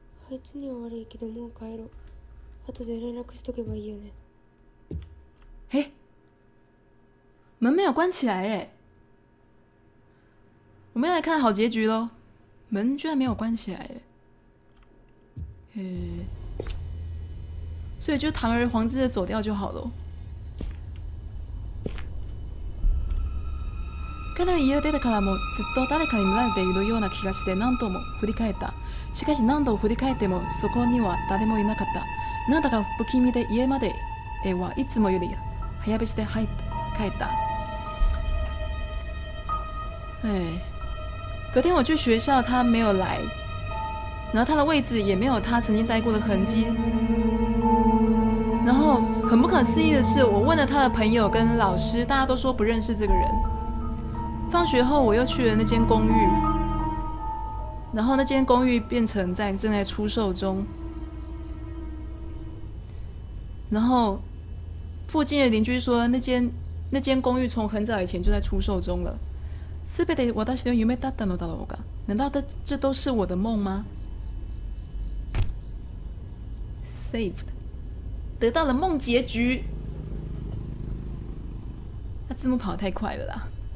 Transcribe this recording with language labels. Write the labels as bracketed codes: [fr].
[ja] あいつには悪いけどもう帰ろ。後で連絡しとけばいいよね。 [zh] 欸，门没有关起来欸，我们要来看好结局咯，门居然没有关起来欸，欸，所以就堂而皇之的走掉就好了。 [ja] 彼女は家を出てからもずっと誰かに見られているような気がして何度も振り返った。しかし何度振り返ってもそこには誰もいなかった。なんだか不気味で家まではいつもより部屋別して入った帰った。 [zh] 哎，隔天我去学校，他没有来，然后他的位置也没有他曾经待过的痕迹。然后很不可思议的是，我问了他的朋友跟老师，大家都说不认识这个人。放学后我又去了那间公寓，然后那间公寓变成在正在出售中，然后附近的邻居说那间公寓从很早以前就在出售中了。 [ja] すべて私の夢だったのだろうか？ [zh] 难道这都是我的梦吗？ Saved， 得到了梦结局。他字幕跑得太快了啦。